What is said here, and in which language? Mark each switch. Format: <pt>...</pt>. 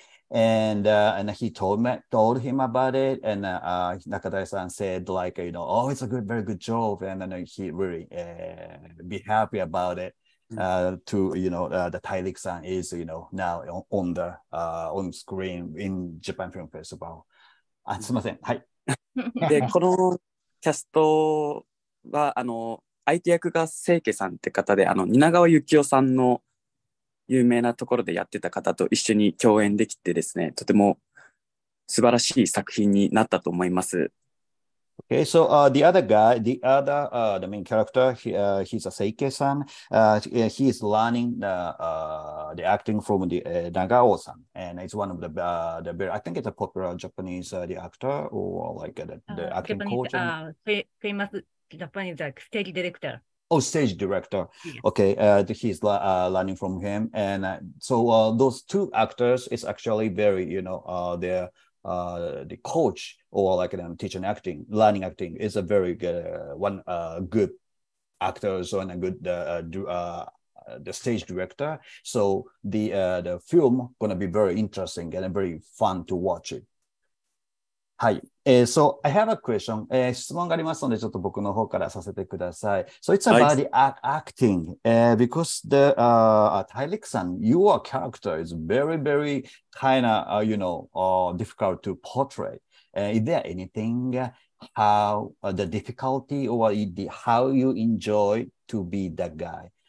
<en>And he told him about it, and Nakadai-san said, like, you know, oh, it's a good, very good job, and then he really be happy about it. To, you know, the Tairiku-san is, you know, now on the on screen in Japan Film Festival.</en> <ja>すみません。はい。で、このキャストは相手役が清家さんって方で、蜷川幸雄さんの有名なところでやってた方と一緒に共演できてですね、とても素晴らしい作品になったと思います。</ja> <en>Okay, so the other guy, the other the main character, he's a Seike-san. He is learning the acting from the Nagao-san, and it's one of the very, I think it's a popular Japanese the actor or like the acting Japanese, coach. Famous Japanese like stage director. Oh, stage director. Okay, he's learning from him. And so those two actors is actually very, you know, they're the coach or like teaching acting, learning acting is a very good one, good actors and a good the stage director. So the film going to be very interesting and very fun to watch it. はい。So, I have a question.</en> <ja>質問がありますので、ちょっと僕の方からさせてください。</ja> <en>So, it's about the acting. Because the, Tairiku-san, your character is very, very kind of, you know, difficult to portray. Is there anything how the difficulty or how you enjoy to be that guy?</en>